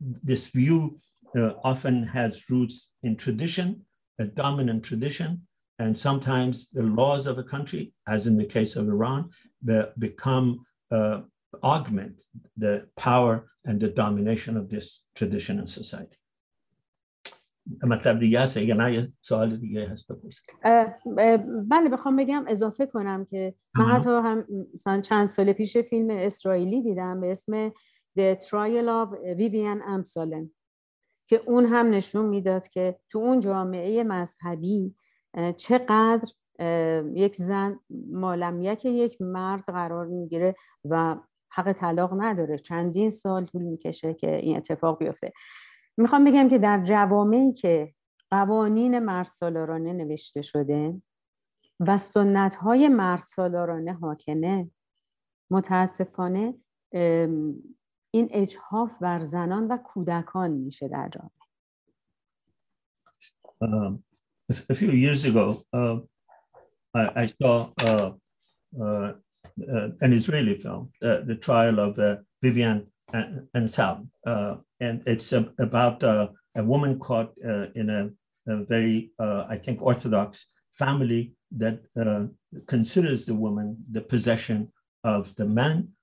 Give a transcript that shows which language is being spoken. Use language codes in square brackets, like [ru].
[en] This view often has roots in tradition, a dominant tradition, and sometimes the laws of a country, as in the case of Iran, become augment the power and the domination of this tradition and society. [fa] مطلب دیگه هست؟ اگه نه یه سوال دیگه هست بپرسید. بله بخوام بگم اضافه کنم که من حتی هم مثلا چند سال پیش فیلم اسرائیلی دیدم به اسم The Trial of Vivian Amsalem که اون هم نشون میداد که تو اون جامعه مذهبی چقدر یک زن مالملک یک مرد قرار میگیره و حق طلاق نداره. چندین سال طول میکشه که این اتفاق بیفته. میخوام بگم که در جوامعی که قوانین مردسالارانه نوشته شده و سنت‌های مردسالارانه حاکمه، متاسفانه این اجحاف بر زنان و کودکان میشه در جامعه. [en] A few years ago, I saw an Israeli film, The Trial of Vivian Ansel, and it's about a woman caught in a very, I think, Orthodox family that considers the woman the possession of the man.